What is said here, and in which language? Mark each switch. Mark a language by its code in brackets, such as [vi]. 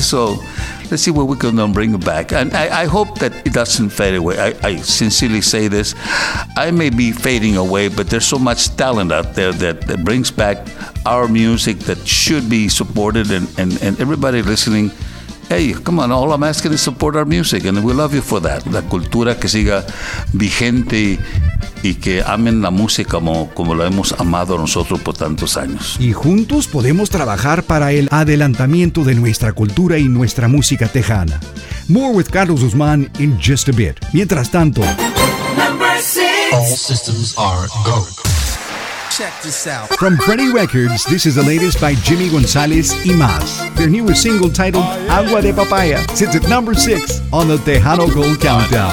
[en] So let's see what we can bring back. And I hope that it doesn't fade away. I sincerely say this. I may be fading away, but there's so much talent out there that brings back our music that should be supported. And everybody listening, hey, come on, all I'm asking is support our music, and we love you for that. [es] La cultura que siga vigente y que amen la música como la hemos amado nosotros por tantos años. Y juntos podemos trabajar para el adelantamiento de nuestra cultura y nuestra música tejana. [en] More with Carlos Guzmán in just a bit. [es] Mientras tanto... [en] Number 6! All systems are go. Check this out. From Freddy Records, this is the latest by Jimmy Gonzalez y Mas. Their newest single titled Agua de Papaya sits at number 6 on the Tejano Gold Countdown.